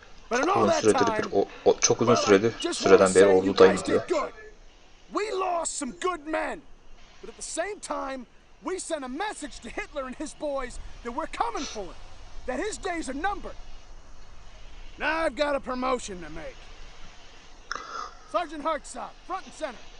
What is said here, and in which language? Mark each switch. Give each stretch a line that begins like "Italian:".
English: But in all that time,
Turkish: çok uzun süredir, süreden beri ordudayım diyor.
English: We lost some good men, but at the same time, we sent a message to Hitler and his boys that we're coming for him, that his days are numbered. Now I've got a promotion to make. Sergeant Hartsop, front and center.